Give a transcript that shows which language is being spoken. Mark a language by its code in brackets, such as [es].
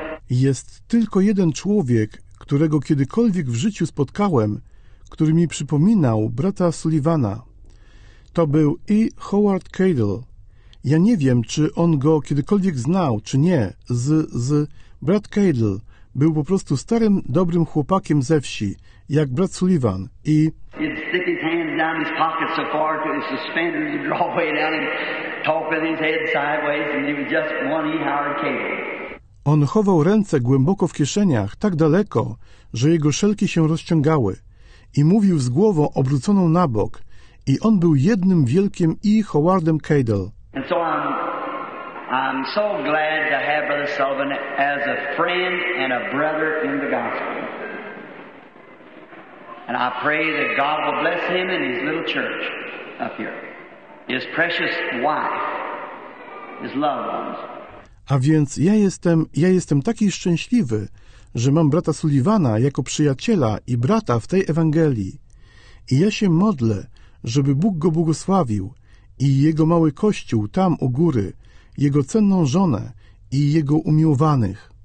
[pl] Jest tylko jeden człowiek, którego kiedykolwiek w życiu spotkałem, który mi przypominał brata Sullivana. To był E. Howard Cadell. Ja nie wiem, czy on go kiedykolwiek znał, czy nie. Brat Cadell był po prostu starym, dobrym chłopakiem ze wsi, jak brat Sullivan. [en] I he'd stick his hands down his pockets so far to his suspenders and draw way down and talk with his head sideways and he was just one E. Howard Cadell. [pl] On chował ręce głęboko w kieszeniach, tak daleko, że jego szelki się rozciągały i mówił z głową obróconą na bok i on był jednym wielkim E. Howardem Cadell. [en] And so I'm so glad to have Brother Sullivan as a friend and a brother in the gospel. And I pray that God will bless him and his little church up here, his precious wife, his loved ones. [pl] A więc ja jestem taki szczęśliwy, że mam brata Sullivana jako przyjaciela i brata w tej Ewangelii. I ja się modlę, żeby Bóg go błogosławił i jego mały kościół tam u góry, jego cenną żonę i jego umiłowanych.